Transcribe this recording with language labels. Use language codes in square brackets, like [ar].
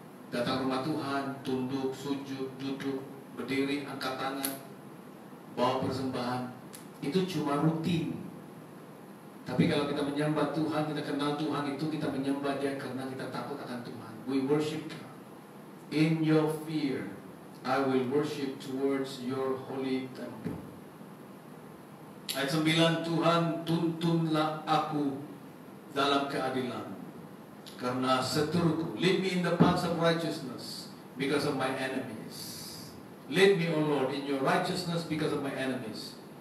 [id] Datang rumah Tuhan, tunduk, sujud, duduk, berdiri, angkat tangan, bawa persembahan. Itu cuma rutin. Tapi kalau kita menyembah Tuhan, kita kenal Tuhan itu, kita menyembah dia karena kita takut akan Tuhan. [en] We worship God. In your fear, I will worship towards your holy temple. [id] Ayat 9, Tuhan tuntunlah aku dalam keadilan, karena seteruku. [en] Lead me in the paths of righteousness because of my enemies. Lead me, O Lord, in your righteousness because of my enemies.